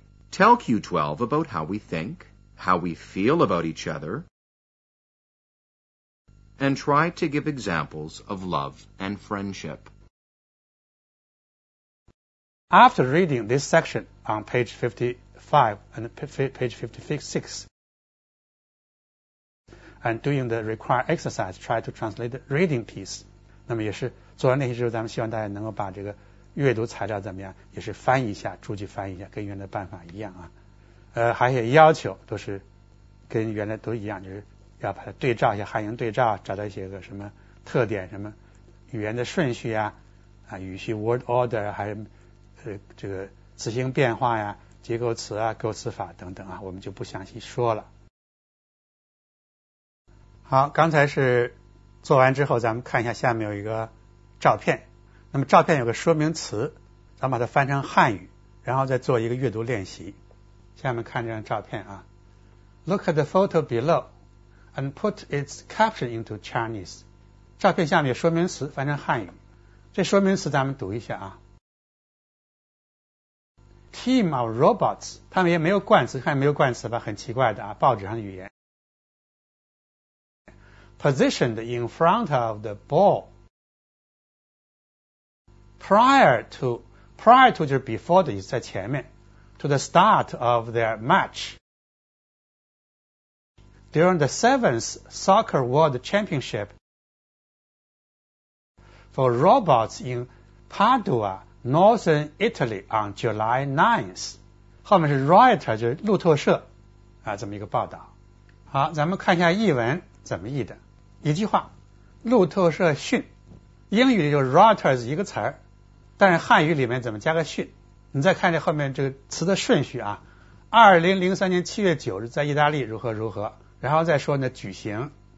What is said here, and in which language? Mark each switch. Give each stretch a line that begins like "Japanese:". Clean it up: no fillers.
English: Tell Q12 about how we think, how we feel about each other, and try to give examples of love and friendship. After reading this section on page 55 and page 56, and doing the required exercise, try to translate the reading piece.
Chinese: 那么也是做完练习之后，咱们希望大家能够把这个阅读材料怎么样，也是翻译一下，逐句翻译一下，跟原来的办法一样啊。还有要求都是跟原来都一样，就是要把它对照一下，汉英对照，找到一些个什么特点，什么语言的顺序啊，啊语序
English: word order
Chinese: 还有。这个词性变化呀，结构词啊，构词法等等啊，我们就不详细说了。好，刚才是做完之后，咱们看一下下面有一个照片。那么照片有个说明词，咱们把它翻成汉语，然后再做一个阅读练习。下面看这张照片啊
English: ，Look at the photo below and put its caption into Chinese。
Chinese: 照片下面有说明词，翻成汉语。这说明词咱们读一下啊。
English: Team of robots，
Chinese: 他们也没有冠词，看没有冠词吧，很奇怪的啊，报纸上的语言。
English: Positioned in front of the ball， prior to
Chinese: 就是
English: before
Chinese: 的意思，在前面。
English: To the start of their match， during the seventh soccer world championship， for robots in Padua。Northern Italy on July 9th.
Chinese: 后面是 Reuters 就是路透社啊这么一个报道。好，咱们看一下译文怎么译的。一句话，路透社讯，英语里就 Reuters 一个词儿，但是汉语里面怎么加个讯？你再看这后面这个词的顺序啊，2003年7月9日在意大利如何如何，然后再说呢举行。